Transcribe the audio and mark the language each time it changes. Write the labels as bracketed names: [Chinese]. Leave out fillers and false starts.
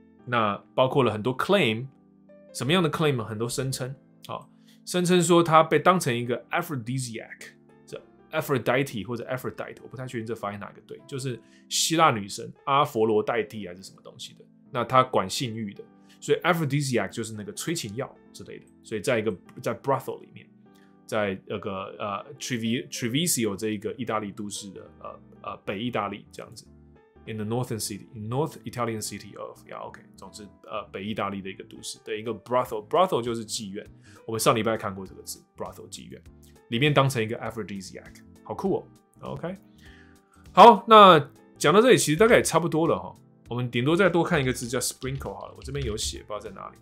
[Chinese] 那包括了很多 claim， 什么样的 claim？ 很多声称，好、哦，声称说它被当成一个 aphrodisiac， 这 aphrodite 或者 aphrodite， 我不太确定这发音哪个对，就是希腊女神阿佛罗代替还是什么东西的。那它管性欲的，所以 aphrodisiac 就是那个催情药之类的。所以在一个在 brothel 里面，在那个Treviso 这一个意大利都市的北意大利这样子。 [English] In the northern city, in North Italian city of yeah, okay. [Chinese] 总之，北意大利的一个都市的一个 brothel， brothel 就是妓院。我们上礼拜看过这个字 ，brothel 妓院，里面当成一个 aphrodisiac， 好酷哦。 OK， 好，那讲到这里，其实大概也差不多了哈。我们顶多再多看一个字叫 sprinkle 好了，我这边有写，不知道在哪里。